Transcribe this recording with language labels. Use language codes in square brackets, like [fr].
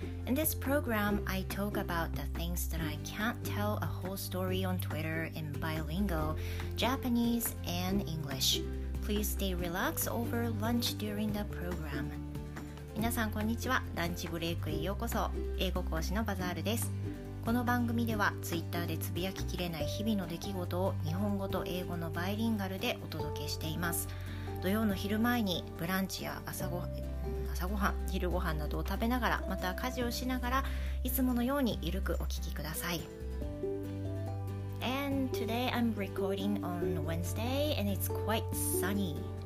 [en] In this program, I talk about the things that I can't tell a whole story on Twitter in bilingual, Japanese and English. Please stay relaxed over lunch during the program. [ja] 皆さんこんにちは。ランチブレイクへようこそ。英語講師のバザールです。この番組では、Twitter でつぶやききれない日々の出来事を日本語と英語のバイリンガルでお届けしています。土曜の昼前にブランチや朝ごはん、昼ごはんなどを食べながら、また家事をしながら、いつものようにゆるくお聞きください。 [en] And today I'm recording on Wednesday and it's quite sunny.